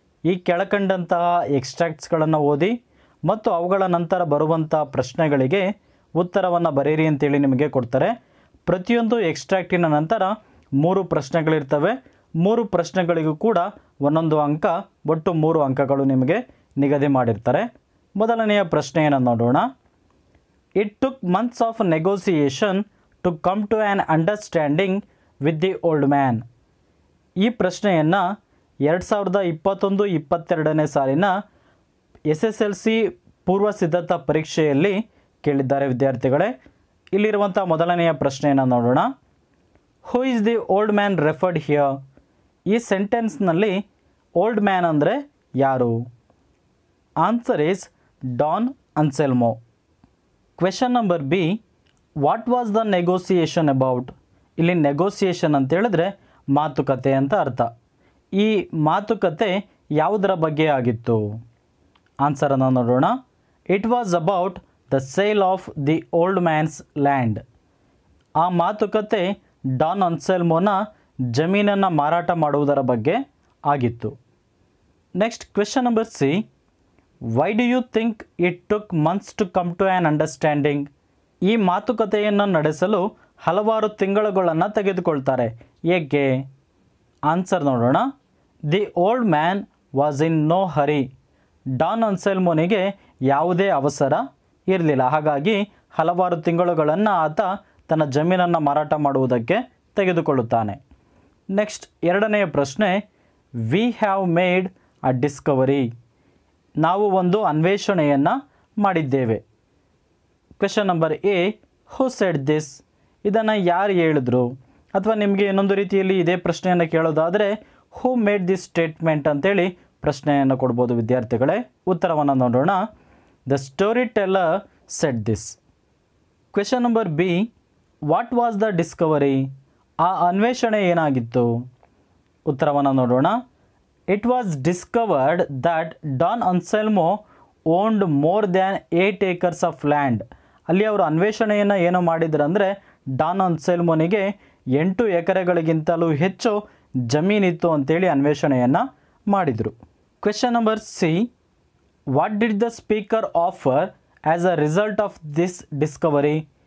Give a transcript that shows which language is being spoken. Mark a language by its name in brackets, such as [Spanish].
[Kannada] ಈ ಕೆಳಕಂಡಂತಹ ಎಕ್ಸ್ಟ್ರಾಕ್ಟ್ಸ್ಗಳನ್ನು ಓದಿ ಮತ್ತು ಅವುಗಳ ನಂತರ ಬರುವಂತಹ ಪ್ರಶ್ನೆಗಳಿಗೆ ಉತ್ತರವನ್ನು ಬರೀರಿ ಅಂತೇಳಿ ನಿಮಗೆ ಕೊಡ್ತಾರೆ. ಪ್ರತಿಯೊಂದು ಎಕ್ಸ್ಟ್ರಾಕ್ಟಿನ ನಂತರ ಮೂರು ಪ್ರಶ್ನೆಗಳಿರ್ತವೆ. ಮೂರು ಪ್ರಶ್ನೆಗಳಿಗೂ ಕೂಡ ಒಂದೊಂದು ಅಂಕ, ಒಟ್ಟು ಮೂರು ಅಂಕಗಳು ನಿಮಗೆ ನಿಗದಿ ಮಾಡಿರ್ತಾರೆ. ಮೊದಲನೆಯ ಪ್ರಶ್ನೆಯನ್ನು ನೋಡೋಣ. [English] It took months of negotiation to come to an understanding with the old man. [Kannada] ಈ ಪ್ರಶ್ನೆಯನ್ನು 2021-22ನೇ ಸಾಲಿನ SSLC ಪೂರ್ವ ಸಿದ್ಧತಾ ಪರೀಕ್ಷೆಯಲ್ಲಿ ಕೇಳಿದ್ದಾರೆ ವಿದ್ಯಾರ್ಥಿಗಳೇ. ಇಲ್ಲಿರುವಂಥ ಮೊದಲನೆಯ ಪ್ರಶ್ನೆಯನ್ನು ನೋಡೋಣ. [English] Who is the old man referred here? [Kannada] ಈ ಸೆಂಟೆನ್ಸ್ನಲ್ಲಿ ಓಲ್ಡ್ ಮ್ಯಾನ್ ಅಂದರೆ ಯಾರು? [English] Answer is Don Anselmo. Question number B, what was the negotiation about? [Kannada] ಇಲ್ಲಿ ನೆಗೋಸಿಯೇಷನ್ ಅಂತೇಳಿದ್ರೆ ಮಾತುಕತೆ ಅಂತ ಅರ್ಥ. ಈ ಮಾತುಕತೆ ಯಾವುದರ ಬಗ್ಗೆ ಆಗಿತ್ತು? ಆನ್ಸರನ್ನು ನೋಡೋಣ. [English] It was about the sale of the old man's land. [Kannada] ಆ ಮಾತುಕತೆ ಡಾನ್ ಅನ್ಸೆಲ್ಮೋನ ಜಮೀನನ್ನು ಮಾರಾಟ ಮಾಡುವುದರ ಬಗ್ಗೆ ಆಗಿತ್ತು. [English] Next question number C, Why do you think it took months to come to an understanding? [Kannada] ಈ ಮಾತುಕತೆಯನ್ನು ನಡೆಸಲು ಹಲವಾರು ತಿಂಗಳುಗಳನ್ನು ತೆಗೆದುಕೊಳ್ತಾರೆ, ಏಕೆ? ಆನ್ಸರ್ ನೋಡೋಣ. [English] The old man was in no hurry. [Kannada] Don ಅನ್ಸೆಲ್ಮೋನಿಗೆ ಯಾವುದೇ ಅವಸರ ಇರಲಿಲ್ಲ, ಹಾಗಾಗಿ ಹಲವಾರು ತಿಂಗಳುಗಳನ್ನು ಆತ ತನ್ನ ಜಮೀನನ್ನು ಮಾರಾಟ ಮಾಡುವುದಕ್ಕೆ ತೆಗೆದುಕೊಳ್ಳುತ್ತಾನೆ. [English] next [Kannada] ಎರಡನೆಯ ಪ್ರಶ್ನೆ, [English] We have made a discovery. [Kannada] ನಾವು ಒಂದು ಅನ್ವೇಷಣೆಯನ್ನು ಮಾಡಿದ್ದೇವೆ. [English] Question number A, who said this? [Kannada] ಇದನ್ನು ಯಾರು ಹೇಳಿದ್ರು? ಅಥವಾ ನಿಮಗೆ ಇನ್ನೊಂದು ರೀತಿಯಲ್ಲಿ ಇದೇ ಪ್ರಶ್ನೆಯನ್ನು ಕೇಳೋದಾದರೆ, [English] who made this statement [Kannada] ಅಂತೇಳಿ ಪ್ರಶ್ನೆಯನ್ನು ಕೊಡ್ಬೋದು ವಿದ್ಯಾರ್ಥಿಗಳೇ. ಉತ್ತರವನ್ನು ನೋಡೋಣ. [English] The storyteller said this. Question number B, what was the discovery? [Kannada] ಆ ಅನ್ವೇಷಣೆ ಏನಾಗಿತ್ತು? ಉತ್ತರವನ್ನು ನೋಡೋಣ. [English] It was discovered that Don Anselmo owned more than 8 acres of land. [Kannada] ಅಲ್ಲಿ ಅವರು ಅನ್ವೇಷಣೆಯನ್ನು ಏನು ಮಾಡಿದ್ರಂದರೆ, ಡಾನ್ ಅನ್ಸೆಲ್ಮೋನಿಗೆ 8 ಎಕರೆಗಳಿಗಿಂತಲೂ ಹೆಚ್ಚು ಜಮೀನಿತ್ತು ಅಂತೇಳಿ ಅನ್ವೇಷಣೆಯನ್ನು ಮಾಡಿದರು. [English] Question number C, what did the speaker offer as a result of this discovery?